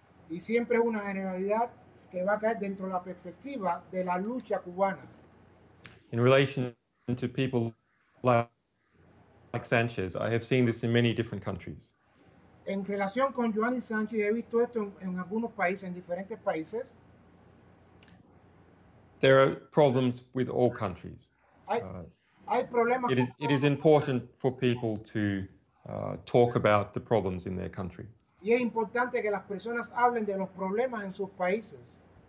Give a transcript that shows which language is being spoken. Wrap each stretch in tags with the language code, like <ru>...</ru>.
<es>Y siempre es una generalidad que va a caer dentro de la perspectiva de la lucha cubana.</es> <en>In relation to people like Sanchez, I have seen this in many different countries.</en> <es>En relación con Julian Assange, he visto esto en algunos países, en diferentes países.</es> <en>There are problems with all countries.</en> <es>Hay problemas.</es> <en>It is important for people to talk about the problems in their country.</en> <es>Y es importante que las personas hablen de los problemas en sus países.</es>